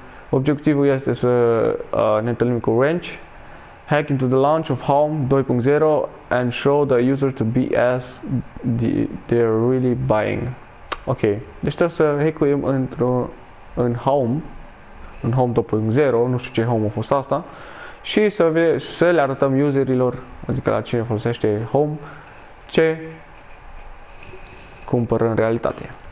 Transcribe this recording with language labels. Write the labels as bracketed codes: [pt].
[ro] Obiectivul este să ne întâlnim cu wrench. [en] Hack into the launch of home 2.0 and show the user to BS they're really buying. [ro] Ok, deci trebuie să hack-uim în home. În home 2.0, nu știu ce home a fost asta. Și să le arătăm userilor, adică la cine folosește home, ce cumpără în realitate.